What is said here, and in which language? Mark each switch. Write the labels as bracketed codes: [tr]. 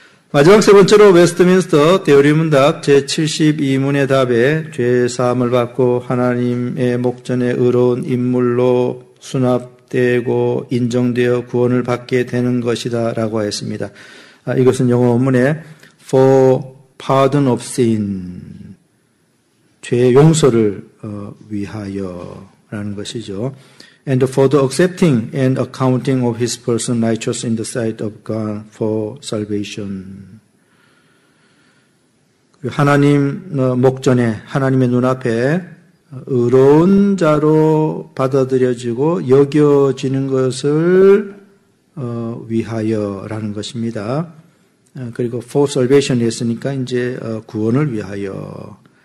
[ko] 마지막 세 번째로 웨스트민스터 대오리 문답 제72문의 답에 죄사함을 받고 하나님의 목전에 의로운 인물로 수납되고 인정되어 구원을 받게 되는 것이다 라고 하였습니다. 이것은 영어 원문에 [en] For pardon of sin, [ko] 죄 용서를 위하여 라는 것이죠. [en] And for the accepting and accounting of his person righteous in the sight of God for salvation. [ko] 하나님 목전에 하나님의 눈앞에 의로운 자로 받아들여지고 여겨지는 것을 위하여라는 것입니다. 그리고 [en] for salvation [ko] 했으니까 이제 구원을 위하여.